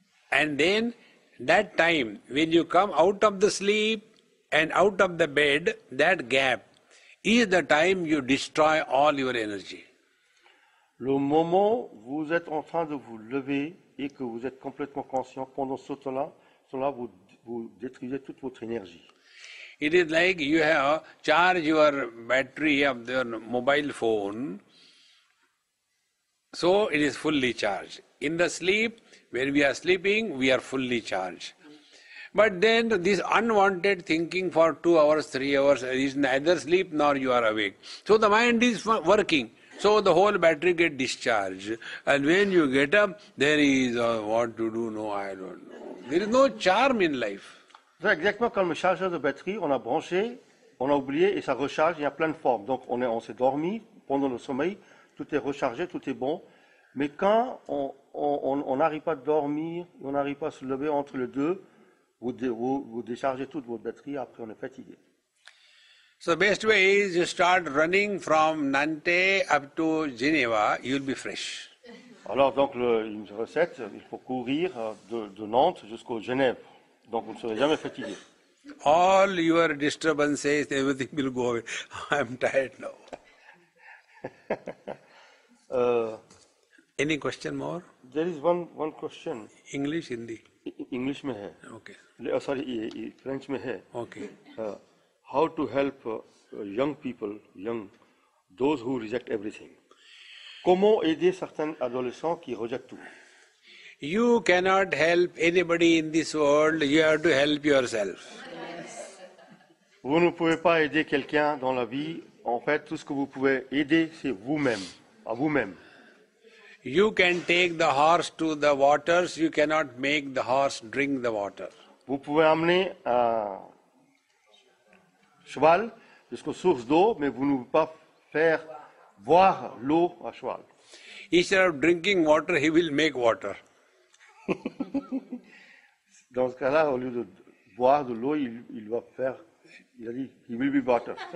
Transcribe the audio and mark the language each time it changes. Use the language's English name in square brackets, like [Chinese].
[English] And then, that time, when you come out of the sleep and out of the bed, that gap is the time you destroy all your energy. [French] Le moment où vous êtes en train de vous lever et que vous êtes complètement conscient, pendant ce temps-là, vous détruisez toute votre énergie. [English] It is like you have charged your battery of your mobile phone, so it is fully charged. In the sleep, when we are sleeping, we are fully charged. But then this unwanted thinking for 2 hours, 3 hours is neither sleep nor you are awake. So the mind is working. So the whole battery gets discharged. And when you get up, there is what to do, no, I don't know. There is no charm in life. [French] C'est exactement comme le chargeur de batterie, on a branché, on a oublié et ça recharge, il y a plein de formes. Donc on s'est dormi pendant le sommeil, tout est rechargé, tout est bon. Mais quand on n'arrive pas à dormir, on n'arrive pas à se lever entre les deux, vous déchargez toute votre batterie, après on est fatigué. [English] So the best way is you start running from Nantes up to Geneva, you'll be fresh. [French] Alors donc une recette, il faut courir de Nantes jusqu'au Genève, donc vous ne serez jamais fatigué. [English] All your disturbances, everything will go away. I'm tired now. Any question more? There is one question. English, Hindi? [Hindi] English mein hai. [English] Okay. Oh, sorry, French [Hindi] mein hai. [English] Okay. How to help young people, those who reject everything? [French] Comment aider certains adolescents qui rejettent tout? [English] You cannot help anybody in this world, you have to help yourself. [French] Vous ne pouvez pas aider quelqu'un dans la vie. En fait, tout ce que vous pouvez aider, c'est vous-même, à vous-même. [English] You can take the horse to the waters, you cannot make the horse drink the water. [French] Vous pouvez amener un cheval jusqu'aux sources d'eau, mais vous ne pouvez pas faire boire l'eau à cheval. [English] Instead of drinking water, he will make water. [French] Dans ce cas-là, au lieu de boire de l'eau, il va faire, il a dit, [English] he will be water.